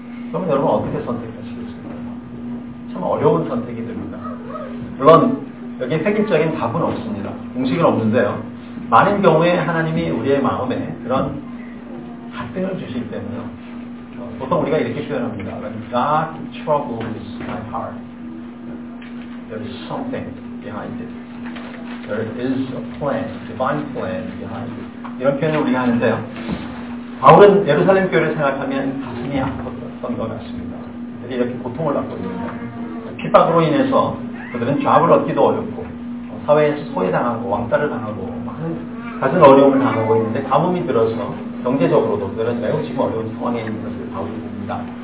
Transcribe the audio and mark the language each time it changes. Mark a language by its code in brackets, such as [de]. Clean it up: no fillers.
[ko] 그러면 여러분 어떻게 선택하시겠습니까? 참 어려운 선택이 됩니다. 물론 여기 획일적인 답은 없습니다. 공식은 없는데요. 많은 경우에 하나님이 우리의 마음에 그런 갈등을 주실 때는요. 보통 우리가 이렇게 표현합니다. [en] God troubles my heart. There is something behind it. There is a plan, divine plan behind it. [ko] 이런 표현을 우리가 하는데요. 바울은 예루살렘 교회를 생각하면 가슴이 아팠던 것 같습니다. 이렇게 고통을 받고 있는데 핍박으로 인해서 그들은 job을 얻기도 어렵고 사회에서 소외당하고 왕따를 당하고 많은 가슴 어려움을 당하고 있는데 가뭄이 들어서 경제적으로도 그들은 매우 지금 어려운 상황에 있는 것을 바울이 봅니다.